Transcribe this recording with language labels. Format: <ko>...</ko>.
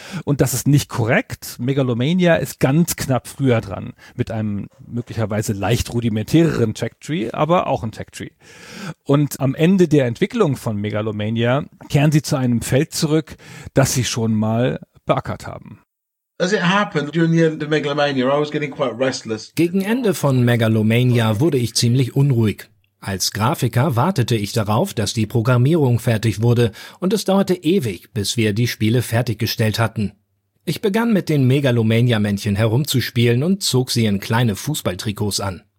<de>Und das ist nicht korrekt. Megalomania ist ganz knapp früher dran mit einem möglicherweise leicht rudimentäreren Tech-Tree, aber auch ein Tech-Tree. Und am Ende der Entwicklung von Megalomania kehren sie zu einem Feld zurück, das sie schon mal beackert haben.</de> <en>As it happened during the end of Megalomania, I was getting quite restless.</en> <de>Gegen Ende von Megalomania wurde ich ziemlich unruhig. Als Grafiker wartete ich darauf, dass die Programmierung fertig wurde, und es dauerte ewig, bis wir die Spiele fertiggestellt hatten. Ich begann mit den Megalomania-Männchen herumzuspielen und zog sie in kleine Fußballtrikots an.</de>